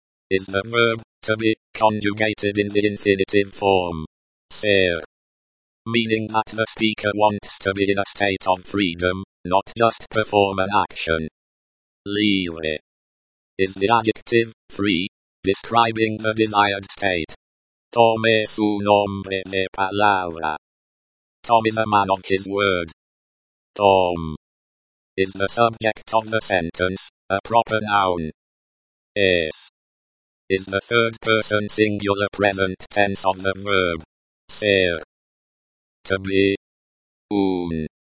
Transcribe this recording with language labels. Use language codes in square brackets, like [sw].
[en] is the verb to be, conjugated in the infinitive form [es] ser, [en] meaning that the speaker wants to be in a state of freedom, not just perform an action. [es] Libre [en] is the adjective, free, describing the desired state. [es] Tome es un hombre de palabra. [en] Tom is a man of his word. Tom is the subject of the sentence, a proper noun. [es] Es [en] is the third person singular present tense of the verb [es] ser. [en] To be. [es] Un